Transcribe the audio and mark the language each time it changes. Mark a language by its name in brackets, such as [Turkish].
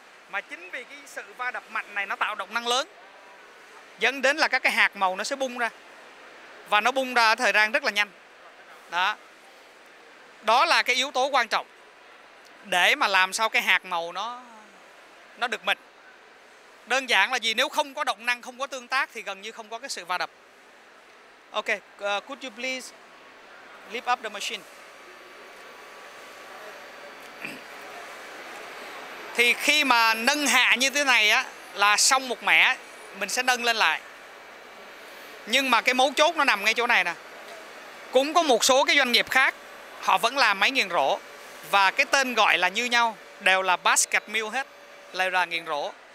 [Vietnamese] Mà chính vì cái sự va đập mạnh này nó tạo động năng lớn, dẫn đến là các cái hạt màu nó sẽ bung ra. Và nó bung ra ở thời gian rất là nhanh. Đó. Đó là cái yếu tố quan trọng để mà làm sao cái hạt màu nó được mịn. Đơn giản là gì? Nếu không có động năng, không có tương tác thì gần như không có cái sự va đập. [English] Ok, could you please lift up the machine? [Vietnamese] Thì khi mà nâng hạ như thế này á, là xong một mẻ, mình sẽ nâng lên lại. Nhưng mà cái mấu chốt nó nằm ngay chỗ này nè. Cũng có một số cái doanh nghiệp khác, họ vẫn làm máy nghiền rổ. Và cái tên gọi là như nhau, đều là basket mill hết, là nghiền rổ.